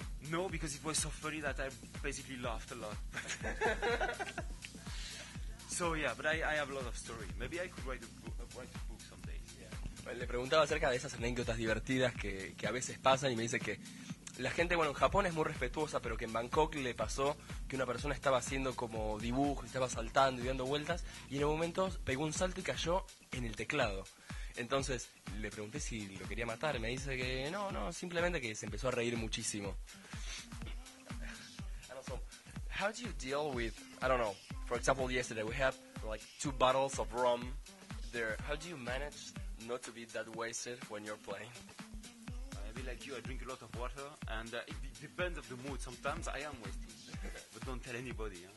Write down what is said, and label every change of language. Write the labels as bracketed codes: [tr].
[en] No, because it was so funny that I basically laughed a lot. So yeah, but I have a lot of stories. Maybe I could write a book some days. Yeah. [es] Le preguntaba acerca de esas anécdotas divertidas que a veces pasan, y me dice que la gente, bueno, en Japón es muy respetuosa, pero que en Bangkok le pasó que una persona estaba haciendo como dibujos, estaba saltando y dando vueltas, y en un momento pegó un salto y cayó en el teclado. Entonces le pregunté si lo quería matar, me dice que no, simplemente que se empezó a reír muchísimo. [en] How do you deal with, I don't know, for example, yesterday we had like 2 bottles of rum there. How do you manage not to be that wasted when you're playing? Maybe like you, I drink a lot of water, and it depends of the mood. Sometimes I am wasted, but don't tell anybody.